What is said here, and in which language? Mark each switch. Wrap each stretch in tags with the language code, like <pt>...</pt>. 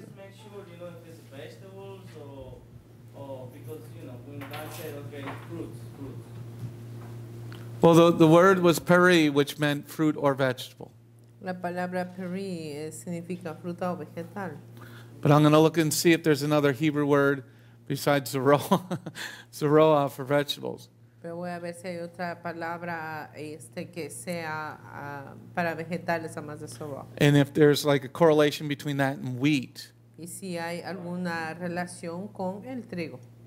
<en>Just make sure, you know, if it's vegetables or because, you know, when God said, okay, fruits. Well, the word was peri, which meant fruit or vegetable.</en> <es>La palabra peri significa fruta o vegetal.</es> <en>But I'm going to look and see if there's another Hebrew word besides zeroa for vegetables.</en> <es>Pero voy a ver si hay otra palabra que sea para vegetales a más de zeroa.</es> <en>And if there's like a correlation between that and wheat.</en> <es>Y si hay alguna relación con el trigo.</es>